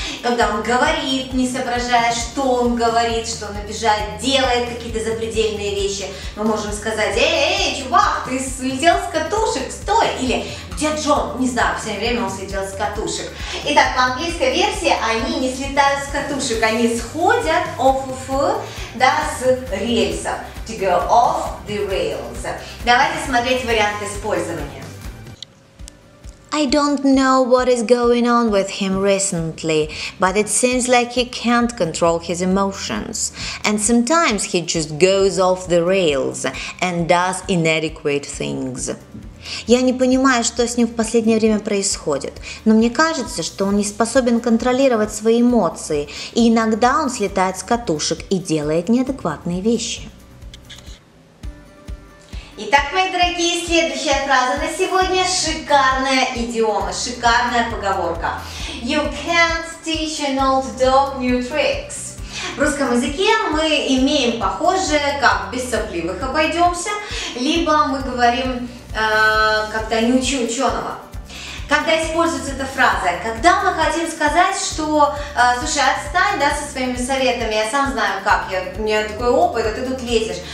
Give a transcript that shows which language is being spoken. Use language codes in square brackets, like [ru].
[ru] Когда он говорит, не соображая, что он говорит, что он обижает, делает какие-то запредельные вещи, мы можем сказать, эй, чувак, ты слетел с катушек, стой, или где Джон? Не знаю, все время он слетел с катушек. Итак, по английской версии они не слетают с катушек, они сходят off, да, с рельсов. [en] To go off the rails. [ru] Давайте смотреть варианты использования. [en] I don't know what is going on with him recently, but it seems like he can't control his emotions. And sometimes he just goes off the rails and does inadequate things. [ru] Я не понимаю, что с ним в последнее время происходит, но мне кажется, что он не способен контролировать свои эмоции, и иногда он слетает с катушек и делает неадекватные вещи. Итак, мои дорогие, следующая фраза на сегодня – шикарная идиома, шикарная поговорка. [en] You can't teach an old dog new tricks. [ru] В русском языке мы имеем похожее, как без сопливых обойдемся, либо мы говорим, когда не учи ученого. Когда используется эта фраза? Когда мы хотим сказать, что, слушай, отстань, да, со своими советами, я сам знаю, как, я, у меня такой опыт, а ты тут лезешь.